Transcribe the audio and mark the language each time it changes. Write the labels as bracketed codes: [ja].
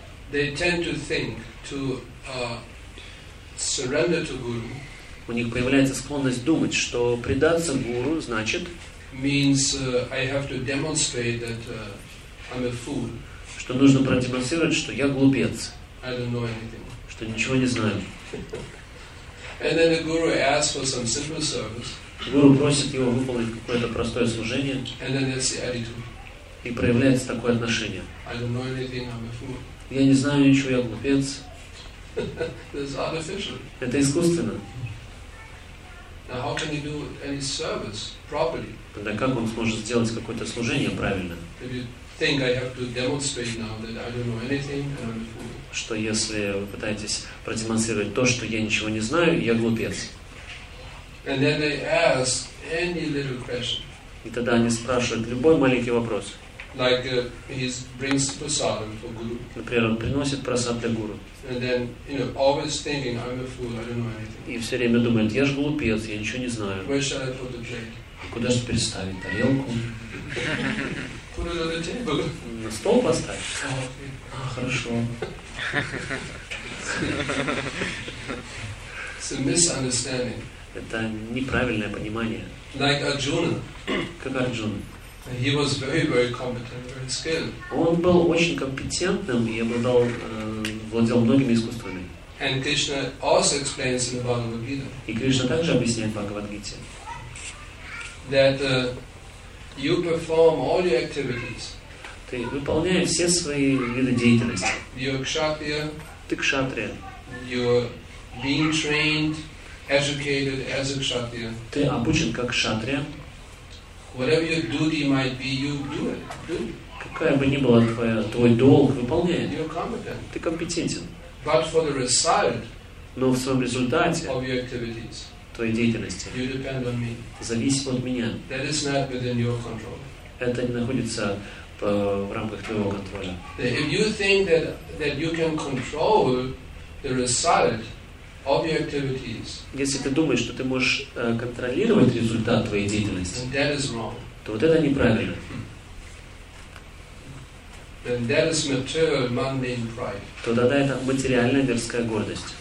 [en] They tend to think to surrender to guru. [ru] У них появляется склонность думать, что предаться гуру значит. [en] Means I have to demonstrate that I'm a fool. [ru] Что нужно продемонстрировать, что я глупец. что ничего не знаю. [en] And then the guru asks for some simple service. [ru] Гуру просит его выполнить какое-то простое служение. [en] And then that's the attitude. [ru] И проявляется такое отношение. [en] I don't know anything, I'm a fool. [ru] Я не знаю ничего, я глупец. [en] That's artificial. [ru] Это искусственно. [en] Now how can you do any service properly? [ru] Тогда как он сможет сделать какое-то служение правильно? [en] Think I have to demonstrate now that I don't know anything and I'm a fool. [ru] Что если вы пытаетесь продемонстрировать то, что я ничего не знаю, я глупец. [en] And then they ask any little question. [ru] И тогда они спрашивают любой маленький вопрос. [en] Like, he brings prasad for guru. [ru] Например, он приносит прасад для гуру. [en] And then, you know, always thinking, I'm a fool, I don't know anything. [ru] И все время думает, я же глупец, я ничего не знаю. [en] Where shall I put the plate? [ru] Куда же переставить тарелку? [en] Put it on the table. [ru] На стол поставить? [en] Oh, okay. [ru] А, хорошо. [en] It's a misunderstanding. [ru] Это неправильное понимание. [en] Like Arjuna. [ru] Как Арджуна. [en] He was very, very competent, very skilled. [ru] Он был очень компетентным и обладал, владел многими искусствами. [en] And Krishna also explains in the Bhagavad Gita. [ru] И Кришна также объясняет в Бхагавад-гите. [en] That you perform all your activities. [ru] Ты выполняешь все свои виды деятельности. [en] You're kshatriya. [ru] Ты кшатрия. [en] You're being trained. Educated as a kshatriya. [ru] Ты обучен как кшатрия. [en] Whatever your duty might be, you do it. Do. [ru] Какая бы ни была твоя, твой долг, выполняй. [en] You're competent. [ru] Ты компетентен. [en] But for the result. [ru] Но в своем результате. [en] Of your activities. [ru] Твоей деятельности. [en] You depend on me. [ru] Зависит от меня. [en] That is not within your control. [ru] Это не находится в рамках твоего контроля. [en] If you think that you can control the result. Of your activities. [ru] Если ты думаешь, что ты можешь контролировать результат твоей деятельности, [en] that is wrong. [ru] То вот это неправильно. [en] Then that is material mundane pride. [ru] То тогда это материальная мирская гордость.